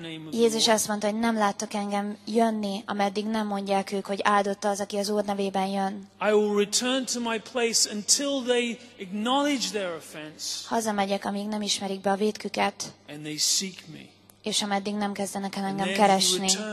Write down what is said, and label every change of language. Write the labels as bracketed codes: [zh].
[hu] Jézus azt mondta, hogy nem láttok engem jönni, ameddig nem mondják ők, hogy áldott az, aki az Úr nevében jön. [en] I will return to my place until they acknowledge their offense. [hu] Hazamegyek, amíg nem ismerik be a vétküket. [en] And they seek me. [hu] És ameddig nem kezdenek el engem keresni.